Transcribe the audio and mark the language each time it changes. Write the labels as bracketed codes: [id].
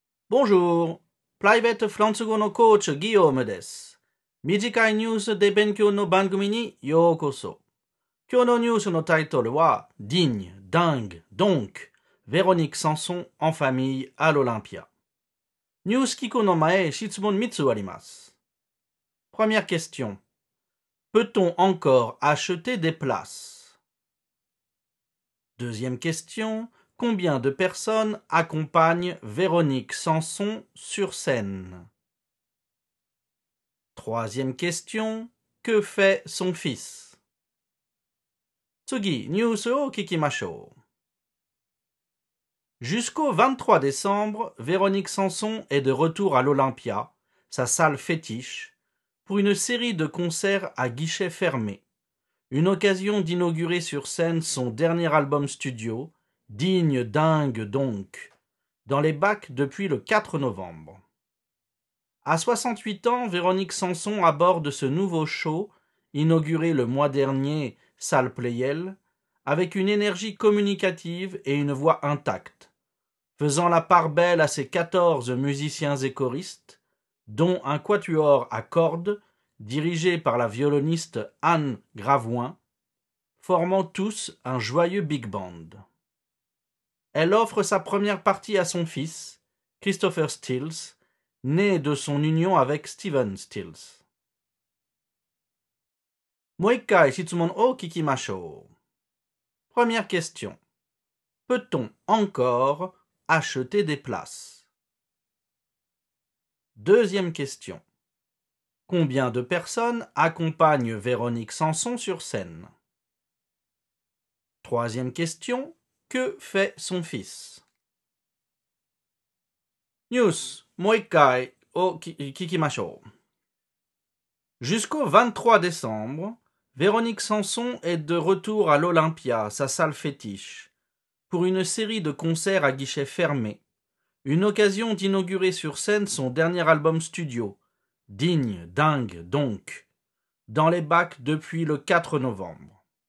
[fr] Bonjour! [ja] プライベートフランス語のコーチ、ギヨームです。短いニュースで勉強の番組にようこそ。今日のニュースのタイトルは、Digne, Dingue, Donc, Véronique Sanson en famille à l'Olympia。ニュース聞くの前、質問3つあります。 [fr] Première question. Peut-on encore acheter des places? Deuxième question. Combien de personnes accompagnent Véronique Sanson sur scène? Troisième question, que fait son fils? [ja] 次、ニュースを聞きましょう。 [fr] Jusqu'au 23 décembre, Véronique Sanson est de retour à l'Olympia, sa salle fétiche, pour une série de concerts à guichet fermé. Une occasion d'inaugurer sur scène son dernier album studio,Digne dingue donc, dans les bacs depuis le 4 novembre. À 68 ans, Véronique Sanson aborde ce nouveau show, inauguré le mois dernier, salle Pleyel, avec une énergie communicative et une voix intacte, faisant la part belle à ses 14 musiciens et choristes, dont un quatuor à cordes, dirigé par la violoniste Anne Gravoin, formant tous un joyeux big band. Elle offre sa première partie à son fils, Christopher Stills, né de son union avec Steven Stills. [ja] もう一回質問を聞きましょう。 [fr] Première question. Peut-on encore acheter des places? Deuxième question. Combien de personnes accompagnent Véronique Sanson sur scène? Troisième question. Que fait son fils? [ja] ニュース、もう一回を聞きましょう。 [fr] Jusqu'au 23 décembre, Véronique Sanson est de retour à l'Olympia, sa salle fétiche, pour une série de concerts à guichet fermé, une occasion d'inaugurer sur scène son dernier album studio, Digne, Dingue, Donc, dans les bacs depuis le 4 novembre.